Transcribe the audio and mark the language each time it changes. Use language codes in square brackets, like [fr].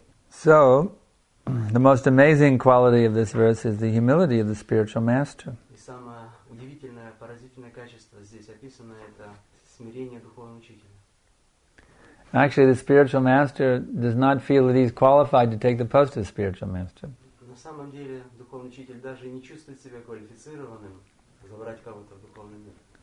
[en] So, the most amazing quality of this verse is the humility of the spiritual master. [ru] И самое удивительное, поразительное качество здесь описано – это смирение духовного учителя. [en] Actually, the spiritual master does not feel that he's qualified to take the post of spiritual master. [ru] На самом деле, духовный учитель даже не чувствует себя квалифицированным забрать кого-то в духовный мир.